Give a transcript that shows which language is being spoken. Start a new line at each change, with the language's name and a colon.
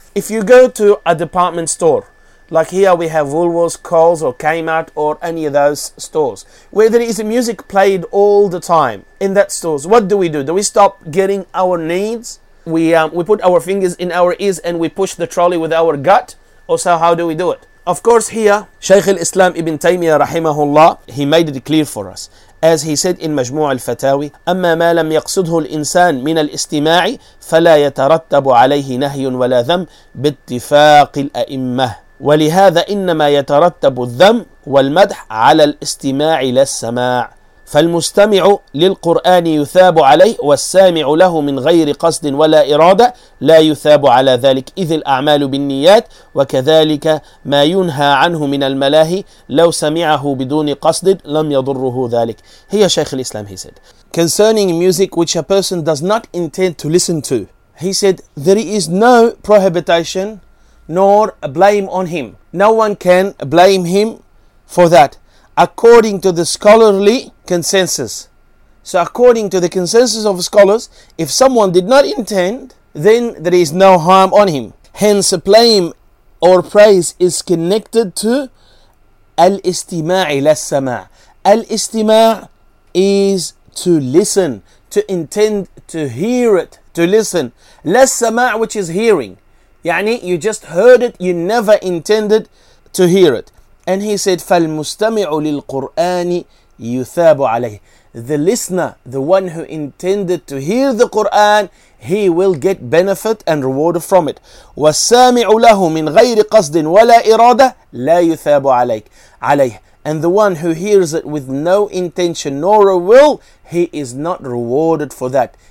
English: If you go to a department store, like here we have Woolworths, Coles or Kmart or any of those stores, where there is music played all the time in that stores, what do we do? Do we stop getting our needs? We put our fingers in our ears and we push the trolley with our gut? So how do we do it? Of course, here, Shaykh al-Islam Ibn Taymiyyah rahimahullah, he made it clear for us. As he said in Majmu' al-Fatawi,
Arabic: أَمَّا مَا لَمْ يَقْصُدْهُ الْإِنسَانِ مِنَ الْإِسْتِمَاعِ فَلَا يَتَرَتَّبُ عَلَيْهِ نَهْيٌ وَلَا ذَمْ بِاتِّفَاقِ الْأَئِمَّةِ وَلِهَذَا إِنَّمَا يَتَرَتَّبُ الذَّمْ وَالْمَدْحَ عَلَى الْإِسْتِمَاعِ لَلسَّمَاعِ فالمستمع للقرآن يثاب عليه والسامع له من غير قصد ولا إرادة لا يثاب على ذلك إذ الأعمال بالنيات وكذلك ما ينهى عنه من الملاهي لو سمعه بدون قصد لم يضره ذلك. هي شيخ الإسلام,
English: he said, concerning music which a person does not intend to listen to, he said, there is no prohibition nor a blame on him. No one can blame him for that. According to the scholarly consensus. So according to the consensus of scholars, if someone did not intend, then there is no harm on him. Hence, blame or praise is connected to al-istima'i lassama'. Al-istima' is to listen, to intend, to hear it, to listen. Lassama', which is hearing. Yani, you just heard it, you never intended to hear it. And he said,
Arabic: فَالْمُسْتَمِعُ لِلْقُرْآنِ يُثَابُ عَلَيْهِ.
English: The listener, the one who intended to hear the Qur'an, he will get benefit and reward from it.
Arabic: وَالسَّامِعُ لَهُ مِنْ غَيْرِ قَصْدٍ وَلَا إِرَادَةٍ لَا يُثَابُ عَلَيْهِ.
English: And the one who hears it with no intention nor a will, he is not rewarded for that.